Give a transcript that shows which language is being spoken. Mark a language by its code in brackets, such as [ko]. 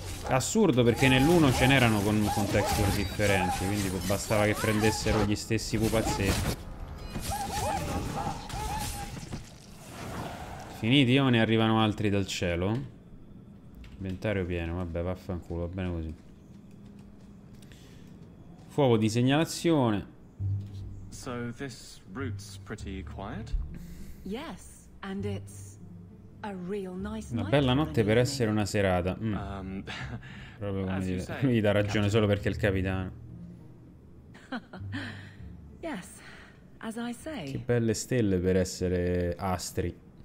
[it] Assurdo, perché nell'uno ce n'erano con texture differenti, quindi bastava che prendessero gli stessi pupazzetti. Finiti o ne arrivano altri dal cielo? Inventario pieno, vabbè, vaffanculo, va bene così. Fuoco di segnalazione. [en] So this route's pretty quiet. Yes, and it's a real nice [it] una bella notte per essere una serata. Proprio come dire, mi dà ragione solo perché è il capitano. [en] Yes, as I say. [it] Che belle stelle per essere astri.